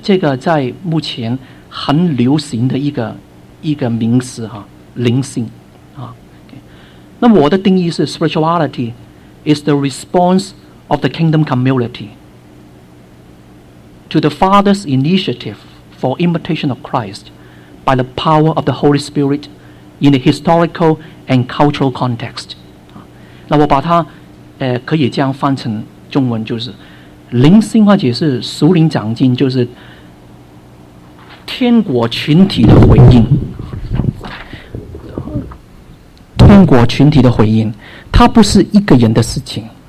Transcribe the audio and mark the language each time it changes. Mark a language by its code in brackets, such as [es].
[zh] 这个在目前很流行的一个名词哈，灵性啊。那我的定义是 [en] spirituality is the response of the kingdom community to the Father's initiative for imitation of Christ by the power of the Holy Spirit in a historical and cultural context. [zh] 那我把它可以这样翻成中文，就是灵性化解是属灵长进，就是天国群体的回应。天国群体的回应，它不是一个人的事情。